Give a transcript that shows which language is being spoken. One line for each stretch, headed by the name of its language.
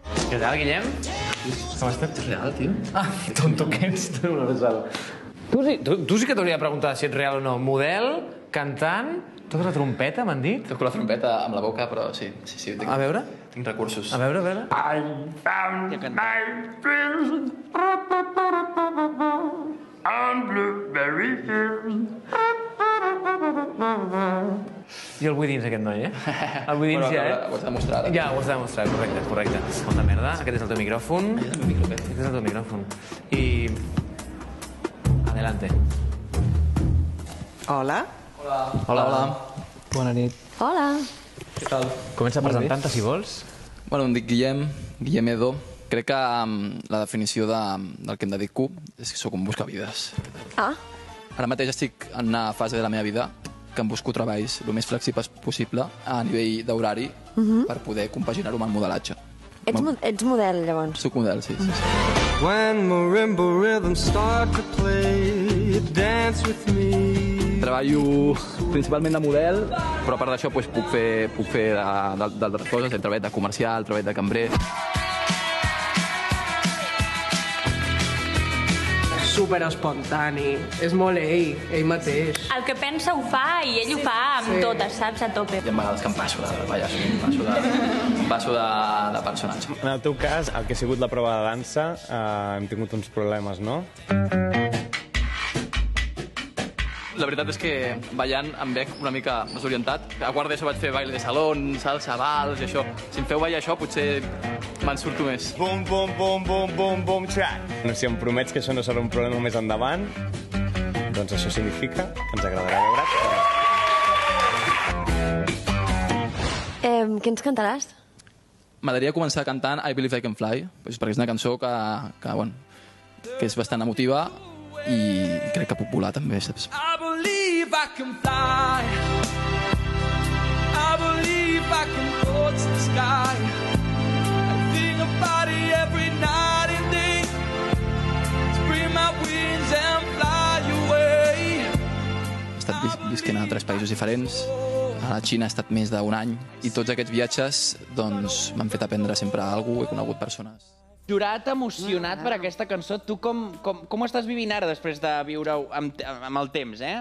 Catalan: Què tal, Guillem? Com ha estat real, tio? Ah, tonto que ets, tu no ho saps. Tu sí que t'hauria de preguntar si ets real o no. Model, cantant, toques la trompeta, m'han dit? Toco la trompeta amb la boca, però sí, sí, sí. A veure? Tinc recursos. A veure, a veure.
English: I found my friends on blueberry hills.
Catalan: I el vull dins, aquest noi, eh? El vull dins, bueno, ja, eh? Ho has de demostrar, ara. Ja, ho has de demostrar, correcte, correcte. Molta merda. Aquest és el teu micròfon. Aquest és el teu micròfon. I... adelante. Hola. Hola. Hola, hola. Bona nit. Hola. Què tal? Comença a presentar-te, si vols. Bueno, em dic Guillem, Guillem Edo. Crec que la definició de, del que em dedico és que sóc un buscavides. Ah. Ara mateix estic en una fase de la meva vida que em busco treballs el més flexibles possible a nivell d'horari per poder compaginar-ho amb el modelatge. Ets model, llavors? Soc model, sí, sí, sí.
English: When marimba rhythms start to play, dance with me.
Catalan: Treballo principalment de model, però a part d'això doncs, puc fer d'altres coses, el treball de comercial, el treball de cambrer. Super espontani, és molt ell mateix. El que pensa ho fa i ell sí, ho fa amb sí. Totes, saps, a tope. I em va agradar que em passo de ballar, em passo de personatge. En el teu cas, el que ha sigut la prova de dansa, hem tingut uns problemes, no? La veritat és que ballant em veig una mica desorientat. A quart d'ESO vaig fer
Spanish: baile de salón,
Catalan: salsa, vals i això. Si em feu ballar això, potser me'n surto més. Bum, bum, bum, bum, bum, bum, xac. No, si em promets que això no serà un problema més endavant, doncs això significa que ens agradarà veure't. Què ens cantaràs? M'agradaria començar cantant I Believe I Can Fly, perquè és una cançó bueno, que és bastant emotiva i crec que puc volar també, saps?
English: I can fly. I believe I can go to the sky. I think about it every night and day. Spread my wings and fly away.
Catalan: He estat visquent a altres països diferents. A la Xina he estat més d'un any. I tots aquests viatges, doncs, m'han fet aprendre sempre alguna cosa. He conegut persones. Jurat emocionat per aquesta cançó. Tu com ho estàs vivint ara després de viure-ho amb el temps, eh?